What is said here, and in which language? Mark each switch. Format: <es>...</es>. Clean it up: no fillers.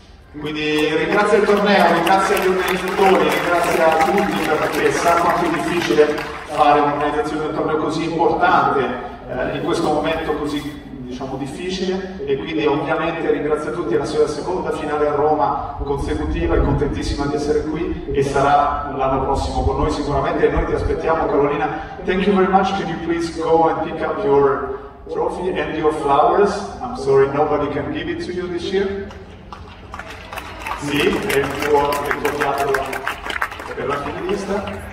<it>Quindi ringrazio il torneo, ringrazio gli organizzatori, ringrazio a tutti perché sa quanto è difficile fare un'organizzazione di un torneo così importante in questo momento così diciamo difficile e quindi ovviamente ringrazio a tutti, è la sua seconda finale a Roma consecutiva, è contentissima di essere qui e sarà l'anno prossimo con noi sicuramente e noi ti aspettiamo Carolina.</it> <en>Thank you very much, can you please go and pick up your trophy and your flowers? I'm sorry, nobody can give it to you this year.</en> <it>Sì, è il tuo piatto per la finalista.</it>